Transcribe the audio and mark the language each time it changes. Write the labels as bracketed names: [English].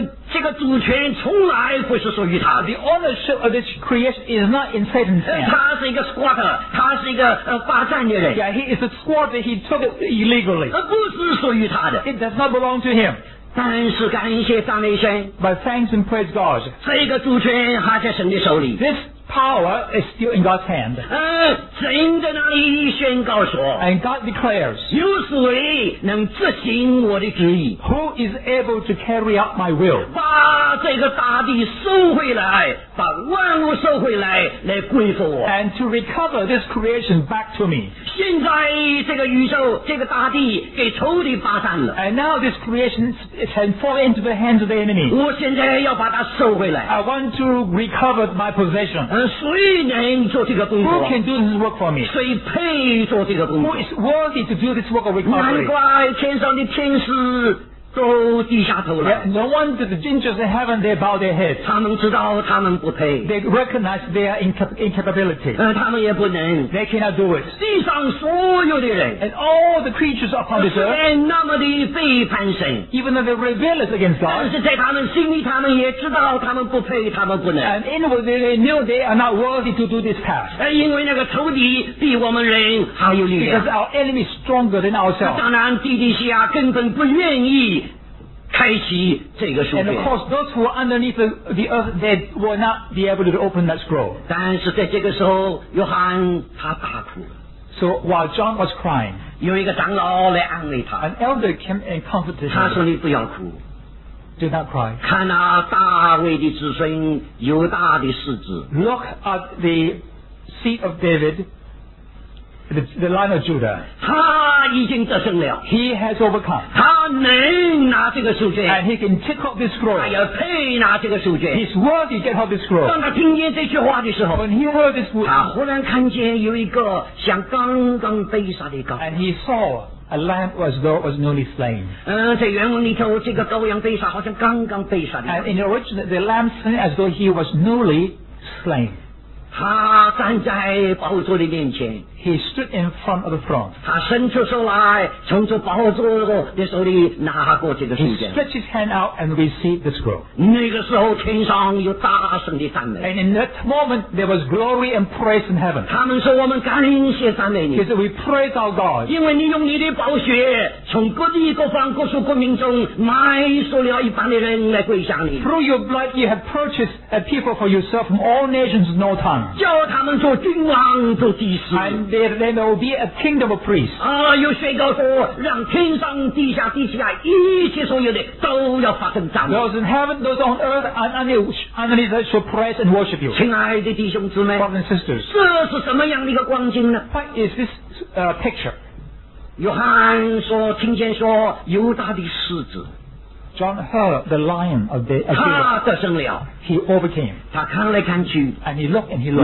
[Chinese] 这个主权从来不是属于他的。 [English] The ownership of this creation is not in Satan's hand. [Chinese] 他是一个 squatter, 他是一个霸占的人。 [English] Yeah, he is a squatter. He took it illegally. [Chinese] 不是属于他的。 [English] It does not belong to him. [Chinese] 但是感谢赞美神。 [English] But thanks and praise God. [Chinese] 这个主权还在神的手里。 [English] This power is still in God's hand. [Chinese] 神在那里宣告说。 [English] And God declares. [Chinese] 有谁能执行我的旨意。 [English] Who is able to carry out my will? [Chinese] 把这个大地收回来，把万物收回来，来归服我。 [English] And to recover this creation back to me. [Chinese] 现在这个宇宙，这个大地给仇敌霸占了。 [English] And now this creation has fallen into the hands of the enemy. [Chinese] 我现在要把它收回来。 [English] I want to recover my possession. [Chinese] 谁能做这个工作 [English] Who can do this work for me? [Chinese] 谁配做这个工作 [English] Who is worthy to do this work of recovery? [Chinese] 难怪天上的天使都低下头了 [English] No wonder the angels in heaven they bow their heads [Chinese] 他们知道他们不配 [English] They recognize their incapability [Chinese] 他们也不能 [English] They cannot do it [Chinese] 地上所有的人 [English] And all the creatures upon this earth [Chinese] 虽然那么的背叛神 [English] Even though they're rebellious against God [Chinese] 但是在他们心里他们也知道他们不配他们不能 [English] And inwardly they knew they are not worthy to do this task [Chinese] 因为那个仇敌比我们人还有力量 [English] Because our enemy is stronger than ourselves [Chinese] 当然地底下根本不愿意开启这个书卷 [English] and of course those who were underneath the earth they were not be able to open that scroll [Chinese] 但是在这个时候约翰他大哭 [English] so while John was crying [Chinese] 有一个长老来安慰他 [English] an elder came and comforted him [Chinese] 他说你不要哭 [English] do not cry [Chinese] 看那大卫的子孙犹大的世子 [English] look at the seed of David the line of Judah [Chinese] 他已经得胜了 [English] he has overcome [Chinese] 他能拿这个书卷 [English] and he can take off this scroll [Chinese] 他也配拿这个书卷 [English] he's worthy to get off this scroll [Chinese] 当他听见这句话的时候 [English] when he heard this word [Chinese] 他忽然看见有一个像刚刚被杀的羔 [English] and he saw a lamb as though it was newly slain [Chinese] 在原文里头这个羔羊被杀好像刚刚被杀的 [English] and in the original the lamb slain as though he was newly slain [Chinese] 他站在宝座的面前 [English] He stood in front of the throne [Chinese] 他伸出手来从这宝座的手里拿过这个书卷 [English] He stretched his hand out and received the scroll [Chinese] 那个时候天上有大声的赞美 [English] And in that moment there was glory and praise in heaven [Chinese] 他们说我们感谢赞美你 [English] He said we praise our God [Chinese] 因为你用你的宝血从各地各方各族各民中买受了一般的人来归向你。 [English] Through your blood, you have purchased a people for yourself from all nations and all tongues. [Chinese] 叫他们做君王做祭司。 [English] And there will be a kingdom of priests. [Chinese] 啊，有谁告诉我，让天上地下地下一切所有的都要发生赞美。 [English] Those in heaven, those on earth, underneath that shall praise and worship you. [Chinese] 亲爱的弟兄姊妹。 [English] Brothers and sisters. [Chinese] 这是什么样的一个光景呢？ [English] What is this picture? [Chinese] 约翰说，听见说，犹大的狮子 [English] ，John heard the lion of the， [Chinese] 他得胜了 [English] ，He overcame。 [Chinese] 他看来看去 [English] ，And he looked and he looked，